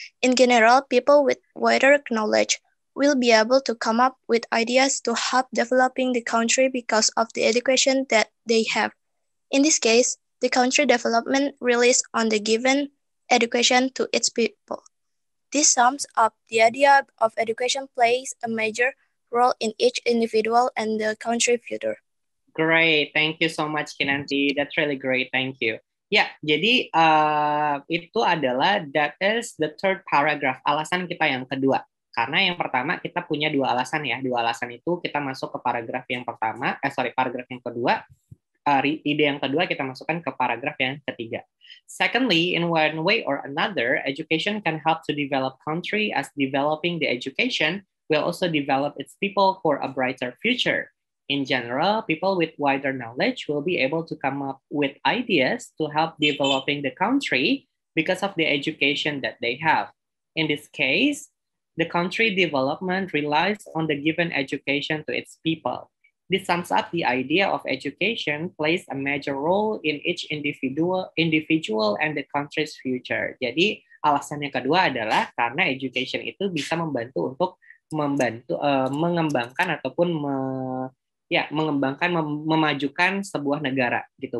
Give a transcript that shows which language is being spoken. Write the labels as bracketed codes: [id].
[en] In general, people with wider knowledge will be able to come up with ideas to help developing the country because of the education that they have. In this case, the country development relies on the given education to its people. This sums up the idea of education plays a major role in each individual and the country future. Great, thank you so much Kinanti. That's really great, thank you. [id] Yeah, jadi itu adalah [en] that is the third paragraph, [id] alasan kita yang kedua. Karena yang pertama kita punya dua alasan ya. Dua alasan itu kita masuk ke paragraf yang pertama, paragraf yang kedua. Ide yang kedua kita masukkan ke paragraf yang ketiga. [en] Secondly, in one way or another, education can help to develop country as developing the education will also develop its people for a brighter future. In general, people with wider knowledge will be able to come up with ideas to help developing the country because of the education that they have. In this case, the country development relies on the given education to its people. This sums up the idea of education plays a major role in each individual and the country's future. [id] Jadi, alasan yang kedua adalah karena education itu bisa membantu untuk memajukan sebuah negara gitu.